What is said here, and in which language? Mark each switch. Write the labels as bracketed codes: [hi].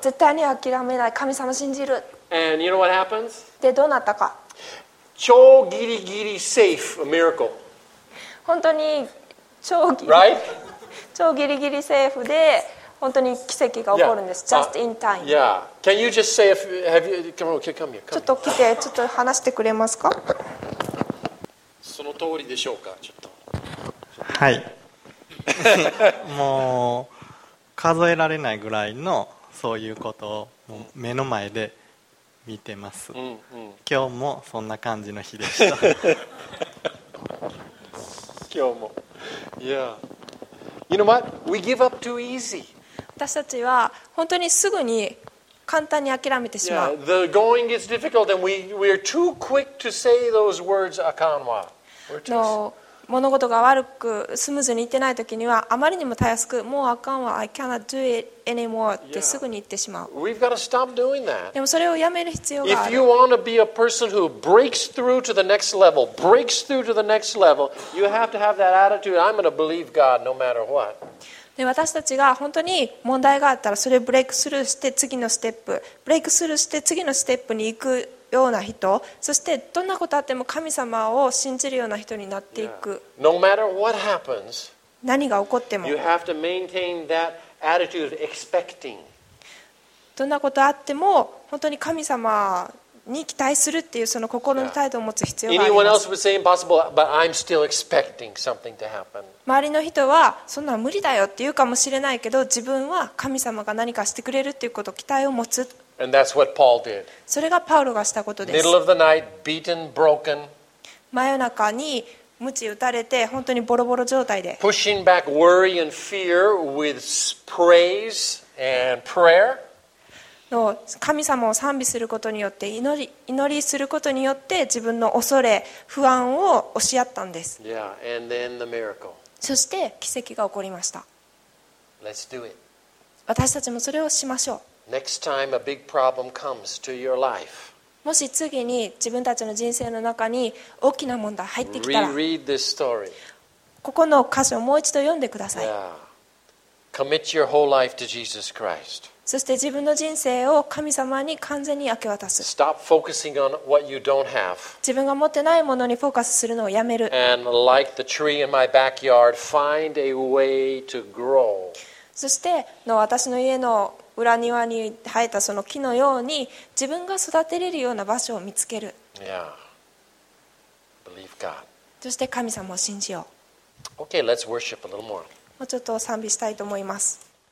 [ja] 絶対に諦めない。神様信じる。 [en] And you know what happens? [ja] でどうなったか。超ギリギリセーフ、 [en] a miracle. [ja] 本当に超ギリ。 [en] Right? [ja] 超ギリギリセーフで。本当に奇跡が起こるんです。 [en] Yeah. Just in time. Yeah. Can you just say if have you come on, come here, come here. [ja] ちょっと来てちょっと話してくれますか。その通りでしょうか。ちょっと。はい。もう数えられないぐらいのそういうことをもう目の前で見てます、うんうん。今日もそんな感じの日でした。今日も。 [en] Yeah. You know what? We give up too easy. [ja] 私たちは本当にすぐに簡単に諦めてしまう。 [en] Yeah, the going is difficult and we are too quick to say those words [ja] あかんわ。 [en] No, [ja] 物事が悪くスムーズにいってない時にはあまりにもたやすくもうあかんわ [en] I cannot do it anymore [ja] ってすぐに言ってしまう。 [en] We've got to stop doing that. [ja] でもそれをやめる必要がある。 [en] If you want to be a person who breaks through to the next level, breaks through to the next level, you have to have that attitude. I'm going to believe God no matter what. [ja] で私たちが本当に問題があったらそれをブレイクスルーして次のステップブレイクスルーして次のステップに行くような人そしてどんなことあっても神様を信じるような人になっていく、 [en] yeah. No matter what happens, [ja] 何が起こっても [en] you have to maintain that attitude expecting. [ja] どんなことあっても本当に神様に期待するっていうその心の態度を持つ必要があります。 [en] Anyone else would say impossible, but I'm still expecting something to happen. [ja] 周りの人はそんな無理だよって言うかもしれないけど、自分は神様が何かしてくれるっていうことを期待を持つ。 [en] And that's what Paul did. [ja] それがパウロがしたことです。 [en] Middle of the night, beaten, broken. [ja] 真夜中に鞭打たれて本当にボロボロ状態で。 [en] Pushing back worry and fear with praise and prayer. [ja] 神様を賛美することによって祈りすることによって自分の恐れ不安を押し合ったんです、 [en] yeah. And then the miracle. [ja] そして奇跡が起こりました。 [en] Let's do it. [ja] 私たちもそれをしましょう。 [en] Next time a big problem comes to your life. [ja] もし次に自分たちの人生の中に大きな問題入ってきたら [en] Re-read this story. [ja] ここの箇所をもう一度読んでください、 [en] yeah. Commit your whole life to Jesus Christ. [ja] そして自分の人生を神様に完全に明け渡す。 [en] Stop focusing on what you don't have. [ja] 自分が持ってないものにフォーカスするのをやめる。 [en] And like the tree in my backyard, find a way to grow. [ja] そしての私の家の裏庭に生えたその木のように自分が育てれるような場所を見つける。 [en] Yeah. Believe God. [ja] そして神様を信じよう。 [en] Okay, let's worship a little more. [ja] もうちょっと賛美したいと思います。